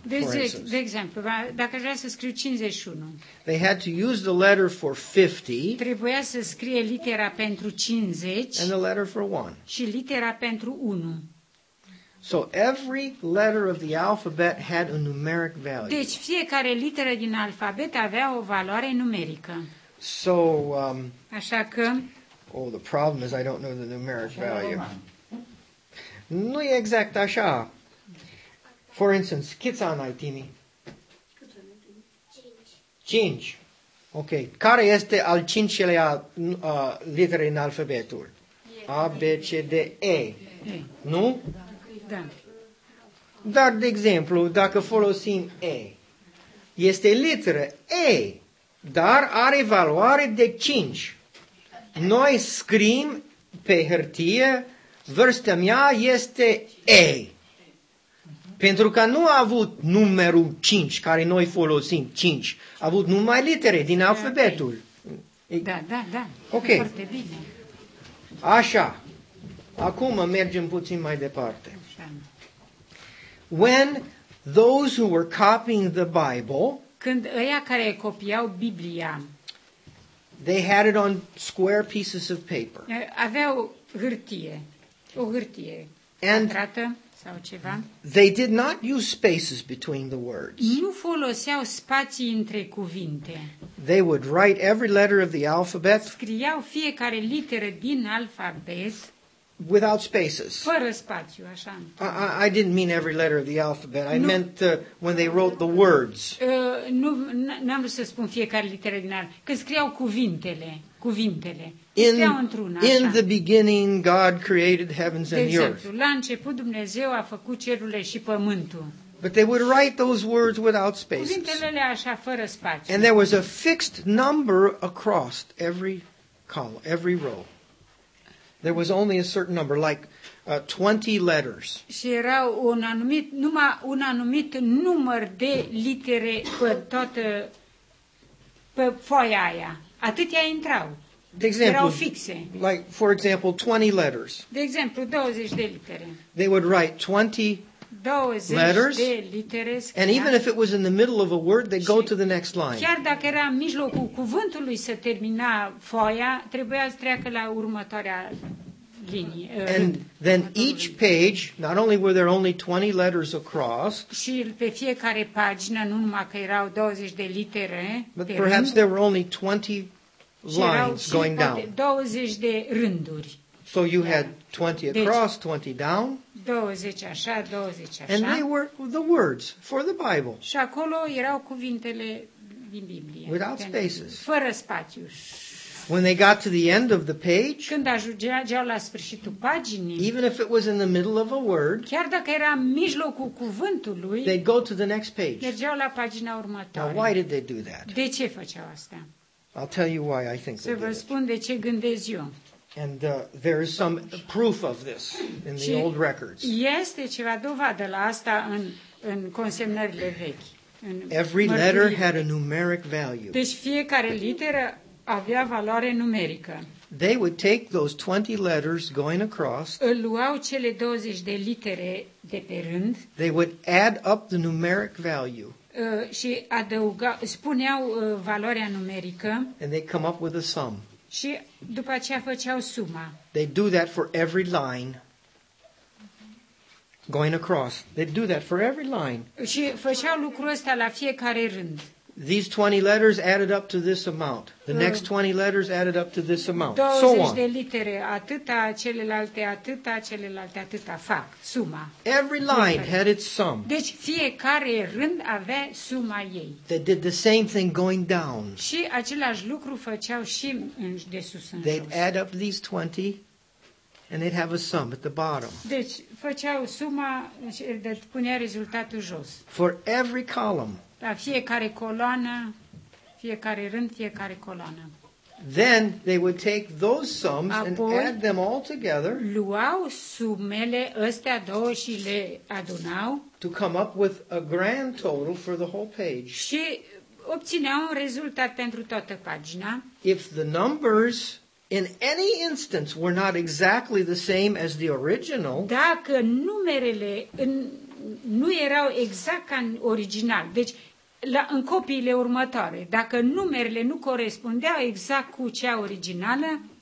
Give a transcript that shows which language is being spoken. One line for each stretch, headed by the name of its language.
Romanian: de exemplu, dacă vrea să scriu 51,
English: they had to use the letter for 50.
Romanian: Trebuia să scrie litera pentru 50.
English: And the letter for 1.
Romanian: Și litera pentru 1.
English: So every letter of the alphabet had a numeric value.
Romanian: Deci fiecare literă din alfabet avea o valoare numerică.
English: So
Romanian: așa că,
English: oh, the problem is I don't know the numeric value.
Romanian: Nu e exact așa.
English: For instance,
Romanian: câți ani ai, Timi? 5. Okay. Care este al cincilea literă din alfabetul? A, B, C, D, E. Nu? Da. Dar, de exemplu, dacă folosim E, este literă E, dar are valoare de 5. Noi scrim pe hârtie, vârsta mea este E. Pentru că nu a avut numărul 5, care noi folosim, 5, a avut numai litere din alfabetul. Da, da, da. Ok. Foarte bine. Așa. Acum mergem puțin mai departe.
English: When those who were copying the Bible,
Romanian: când ăia care copiau Biblia,
English: they had it on square pieces of paper.
Romanian: Aveau hârtie, o hârtie pătrată sau ceva.
English: They did not use spaces between the words.
Romanian: Nu foloseau spații între cuvinte.
English: They would write every letter of the alphabet.
Romanian: Scriau fiecare literă din alfabet.
English: Without spaces.
Romanian: Fără spațiu, așa.
English: I didn't mean every letter of the alphabet. I meant when they wrote the words.
Romanian: N-am vrut să spun fiecare literă din alfabet. Când scriau cuvintele.
English: In the beginning, God created heavens and the earth.
Romanian: De exemplu, la început, Dumnezeu a făcut cerurile și pământul.
English: But they would write those words without spaces.
Romanian: Cuvintele așa, fără spațiu.
English: And there was a fixed number across every column, every row. There was only a certain number, like 20 letters.
Romanian: Și era un anumit, numai un anumit număr de litere pe toată, pe foaia aia. Atâtea intrau. De exemplu, erau fixe.
English: Like, for example, 20 letters.
Romanian: De exemplu, 20 de litere.
English: They would write 20 20 letters,
Romanian: de litere scria.
English: And even if it was in the middle of a word, they'd go to the next line.
Romanian: Chiar dacă era în mijlocul cuvântului să termina foaia, trebuia să treacă la următoarea linie.
English: And then each page, not only were there only 20 letters across,
Romanian: și pe fiecare pagină, nu numai că erau 20 de litere,
English: but perhaps there were only 20 lines going down.
Romanian: 20 de rânduri.
English: So you had 20 across, 20 down.
Romanian: 20 așa, 20 așa.
English: And they were the words for the Bible.
Romanian: Și acolo erau cuvintele din Biblie.
English: Without spaces.
Romanian: Fără spațiu.
English: When they got to the end of the page,
Romanian: când ajungeau la sfârșitul paginii,
English: even if it was in the middle of a word,
Romanian: chiar dacă era în mijlocul cuvântului,
English: they'd go to the next page.
Romanian: Mergeau la pagina următoare.
English: Now, why did they do that?
Romanian: De ce făceau asta?
English: I'll tell you why I think they did.
Romanian: Să vă spun de ce gândesc eu.
English: And there is some proof of this in the old records.
Romanian: Este ceva dovadă la asta în consemnările vechi.
English: Every letter had a numeric value.
Romanian: Deci fiecare literă avea valoare numerică.
English: They would take those 20 letters going across.
Romanian: Îl luau cele 20 de litere de pe rând.
English: They would add up the numeric value.
Romanian: Și adăugau, spuneau valoarea numerică.
English: And they come up with a sum.
Romanian: Și după aceea făceau suma.
English: They do that for every line going across. They do that for every line.
Romanian: Și făceau lucrul ăsta la fiecare rând.
English: These 20 letters added up to this amount. The next 20 letters added up to this amount. So on.
Romanian: 20 de litere, atâta, celelalte, atâta, celelalte, atâta, fac suma.
English: Every line had its sum.
Romanian: Deci fiecare rând avea suma ei.
English: They did the same thing going down.
Romanian: Și același lucru făceau și în de sus în jos.
English: They'd add up these 20 and they'd have a sum at the bottom.
Romanian: Deci făceau suma și punea rezultatul jos.
English: For every column.
Romanian: La fiecare coloană, fiecare rând, fiecare coloană.
English: Then they would take those sums and add them all together.
Romanian: Luau sumele astea două și le adunau.
English: To come up with a grand total for the whole page.
Romanian: Și obțineau un rezultat pentru toată pagina.
English: If the numbers in any instance were not exactly the same as the original.
Romanian: Dacă numerele nu erau exact ca în original, deci în copiile următoare, dacă numerele nu corespundeau exact cu cea originală,